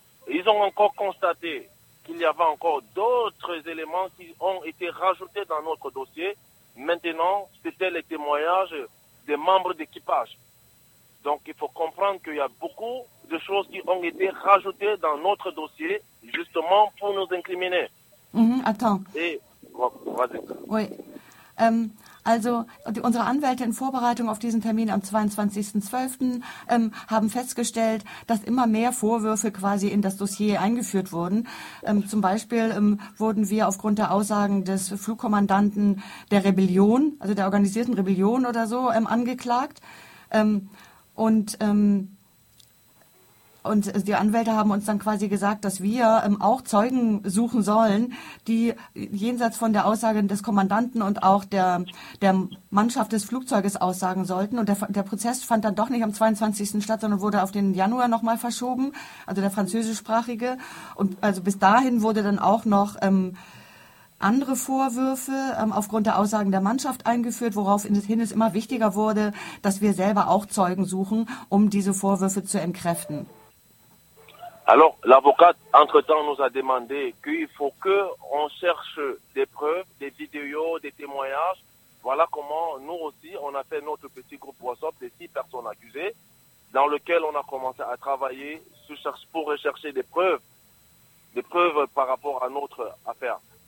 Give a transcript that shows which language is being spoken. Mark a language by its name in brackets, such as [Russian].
[French] Ils ont encore constaté qu'il y avait encore d'autres éléments qui ont été rajoutés dans notre dossier. Maintenant, c'était les témoignages des membres d'équipage. Donc il faut comprendre qu'il y a beaucoup de choses qui ont été rajoutées dans notre dossier, justement pour nous incriminer. Mm-hmm, attends. Et, vas-y. Oui. [German] Also unsere Anwälte in Vorbereitung auf diesen Termin am 22.12. Haben festgestellt, dass immer mehr Vorwürfe quasi in das Dossier eingeführt wurden. Zum Beispiel wurden wir aufgrund der Aussagen des Flugkommandanten der Rebellion, also der organisierten Rebellion oder so, angeklagt. Und die Anwälte haben uns dann quasi gesagt, dass wir auch Zeugen suchen sollen, die jenseits von der Aussage des Kommandanten und auch der Mannschaft des Flugzeuges aussagen sollten. Und der Prozess fand dann doch nicht am 22. statt, sondern wurde auf den Januar nochmal verschoben, also der französischsprachige. Und also bis dahin wurde dann auch noch andere Vorwürfe aufgrund der Aussagen der Mannschaft eingeführt, woraufhin es immer wichtiger wurde, dass wir selber auch Zeugen suchen, um diese Vorwürfe zu entkräften. [French] Alors, l'avocat entre-temps nous a demandé qu'il faut que on cherche des preuves, des vidéos, des témoignages. Voilà comment nous aussi, on a fait notre petit groupe WhatsApp de 6 personnes accusées, dans lequel on a commencé à travailler pour rechercher des preuves par rapport à notre affaire.